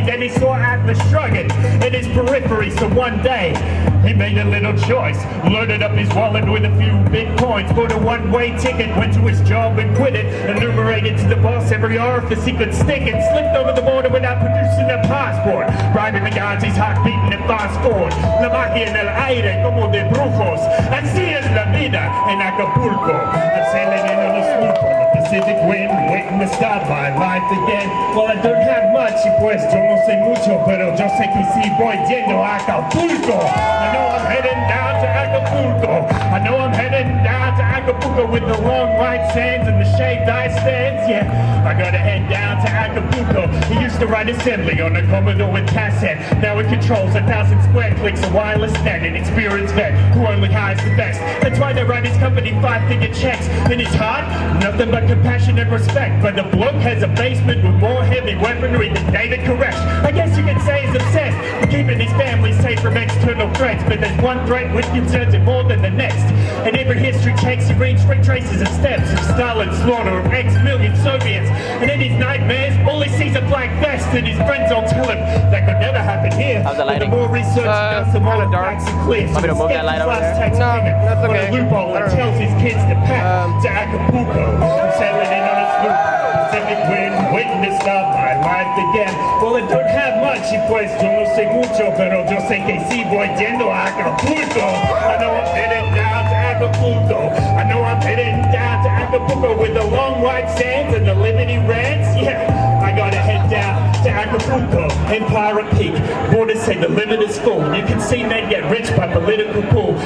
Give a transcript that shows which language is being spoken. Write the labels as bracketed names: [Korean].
[English] Then he saw Atlas shrugging in his periphery. So one day he made a little choice, loaded up his wallet with a few bitcoins, bought a one-way ticket, went to his job and quit it, enumerated to the boss every orifice he could stick it, slipped over the border without producing a passport, bribing the guards, his heart beating it fast forward. [Spanish] La magia en el aire como de brujos, así es la vida en Acapulco. [English] I'm sailing in on a sloop on the Pacific wind, waiting to start my life again. Well, I don't have much, [Spanish] pues yo no sé mucho, pero yo sé que sí voy yendo a Acapulco. [English] I know I'm heading down to Acapulco. I know I'm heading down to Acapulco with the long white sands and the shaved ice sands. Yeah, I gotta head down to Acapulco. He used to ride assembly on a Commodore with cassette. Now it controls 1,000 square clicks, a wireless net, an experienced vet who only hires the best. That's why they write his company 5-figure checks. In his heart, nothing but compassion and respect. But the bloke has a basement with more heavy weaponry than David Koresh. I guess you could say he's obsessed with keeping his family safe from external threats. But there's one threat which concerns him more than the next. And every history takes you read straight traces of steps of Stalin's slaughter of ex-million Soviets. And in his nightmares, all he sees are black vests, and his friends all tell him that could never happen here. How's the lighting? But the more research does, the more the facts are clear. So he's getting the last tax payment on a loophole and tells his kids to pack to Acapulco. I'm sailing in on a sloop, Pacific wind, waiting to start my life again. Well, I don't have much, [Spanish] y pues yo no sé mucho, pero yo sé que sí voy yendo a Acapulco. [English] I know I'm heading down to Acapulco. I know I'm heading down to Acapulco with the long white sands and the limity rants. Yeah, I gotta head down to Acapulco and Pirate Peak. Borders say the limit is full. You can see men get rich by political pull.